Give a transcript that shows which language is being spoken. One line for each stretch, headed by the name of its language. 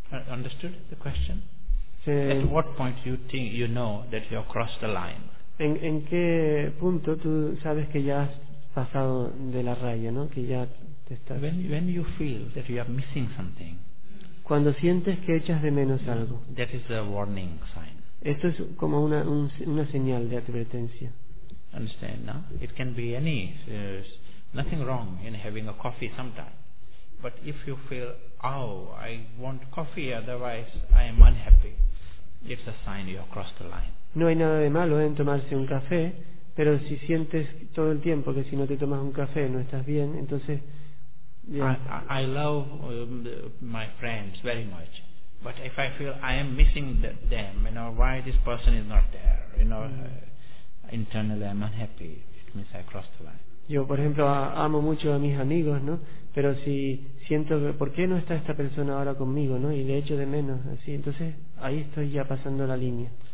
English: Understood the question? At what point you think you know that you have crossed the line?
Spanish: ¿En qué punto tú sabes que ya has pasado de la raya, ¿no? Que ya te estás.
English: When you feel that you are missing something.
Spanish: Cuando sientes que echas de menos algo.
English: That is a warning sign.
Spanish: Esto es como una señal de advertencia.
English: Understand, no? It can be any. There's nothing wrong in having a coffee sometime. But if you feel, I want coffee, otherwise I am unhappy. It's a sign you have crossed the line.
Spanish: No hay nada de malo en tomarse un café, pero si sientes todo el tiempo que si no te tomas un café no estás bien, entonces.
English: Yeah. I love my friends very much, but if I feel I am missing them, you know, why this person is not there, you know, internally I'm unhappy. It means I crossed the line.
Spanish: Yo, por ejemplo, amo mucho a mis amigos, ¿no? Pero si siento que, ¿por qué no está esta persona ahora conmigo, no? Y le echo de menos, así. Entonces, ahí estoy ya pasando la línea.